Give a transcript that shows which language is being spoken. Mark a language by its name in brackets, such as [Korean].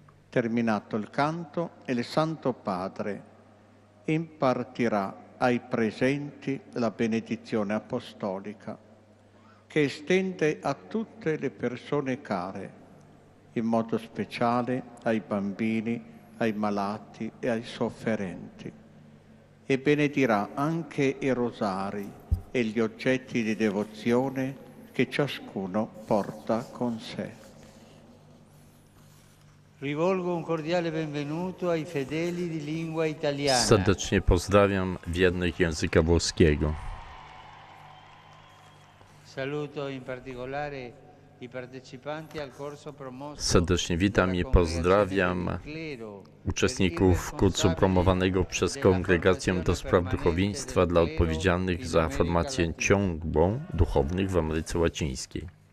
[Italian] Terminato il canto, il Santo Padre impartirà ai presenti la benedizione apostolica che estende a tutte le persone care, in modo speciale ai bambini, ai malati e ai sofferenti. E benedirà anche i rosari e gli oggetti di devozione che ciascuno porta con sé. Rivolgo un cordiale benvenuto ai fedeli di lingua italiana. [Polish] Serdecznie pozdrawiam wiernych języka włoskiego. [Italian] Saluto in particolare i partecipanti al corso promosso. [Polish] Serdecznie witam i pozdrawiam uczestników kursu promowanego przez Kongregację do Spraw Duchowieństwa dla odpowiedzialnych za formację ciągłą duchownych w Ameryce Łacińskiej.